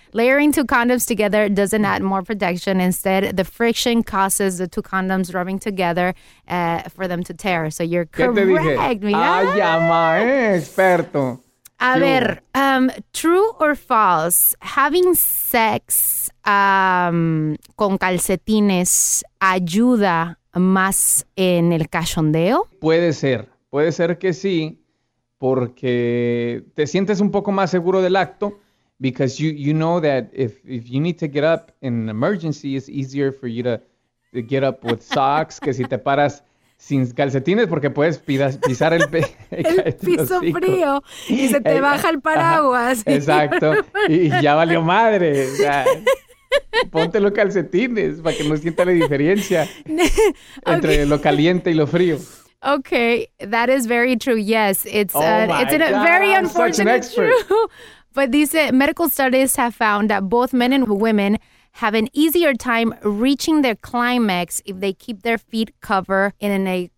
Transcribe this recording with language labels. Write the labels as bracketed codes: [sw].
[en] Layering 2 condoms together doesn't add more protection. Instead, the friction causes the 2 condoms rubbing together for them to tear. So you're correct. [es] Ay, ama, experto. A ver, [en] true or false, having sex [es] con calcetines ayuda más en el cachondeo? Puede ser que sí. Porque te sientes un poco más seguro del acto, [en] because you know that if you need to get up in an emergency, it's easier for you to get up with socks [es] que si te paras sin calcetines, porque puedes pisar el piso frío y se te baja el paraguas. Exacto, y ya valió madre. O sea, ponte los calcetines para que no sienta la diferencia entre lo caliente y lo frío. [en] Okay, that is very true. Yes, very unfortunate truth. But these medical studies have found that both men and women have an easier time reaching their climax if they keep their feet covered in an